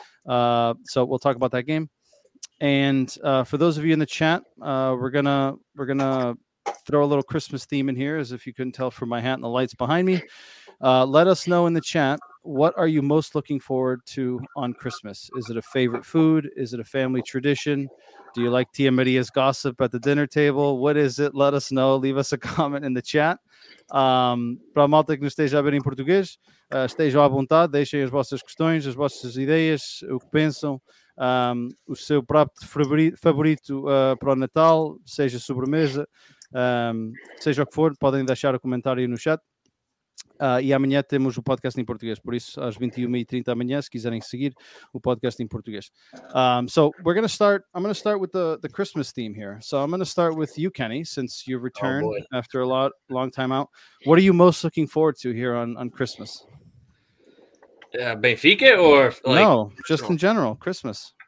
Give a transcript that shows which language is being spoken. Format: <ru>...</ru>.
<en>So we'll talk about that game. And for those of you in the chat, we're gonna throw a little Christmas theme in here, as if you couldn't tell from my hat and the lights behind me. Let us know in the chat, what are you most looking forward to on Christmas? Is it a favorite food? Is it a family tradition? Do you like Tia Maria's gossip at the dinner table? What is it? Let us know. Leave us a comment in the chat.</en> <pt>Para a malta que nos esteja a ver em português, estejam à vontade, deixem as vossas questões, as vossas ideias, o que pensam, o seu prato favorito para o Natal, seja sobremesa, seja o que for, podem deixar o comentário no chat. E amanhã temos o podcast em português, por isso às 21h30 amanhã, se quiserem seguir o podcast em português.</pt> <en>So we're going to start, I'm going to start with the Christmas theme here. So I'm going to start with you, Kenny, since you've returned after a long time out. What are you most looking forward to here on Christmas? Benfica or like... No, just in general, Christmas.</en>